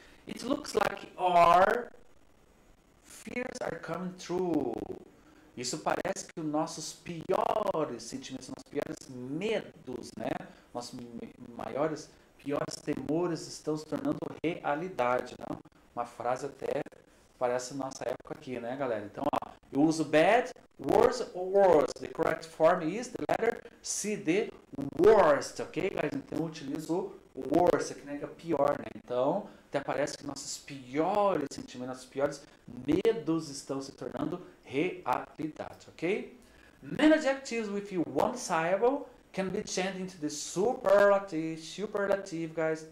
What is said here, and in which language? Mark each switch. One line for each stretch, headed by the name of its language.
English: It looks like our fears are coming true.
Portuguese: Isso parece que os nossos piores sentimentos, nossos piores medos, né? Nossos maiores, piores temores estão se tornando realidade, né? Uma frase até parece nossa época aqui, né, galera? Então, ó, eu uso bad, worse or worse.
English: The correct form is the letter C, the worst, ok, guys?
Portuguese: Então, eu utilizo o worst, que é pior, né? Então, até parece que nossos piores sentimentos, nossos piores medos estão se tornando realidade, ok?
English: Many adjectives with one syllable can be changed into the superlative, guys.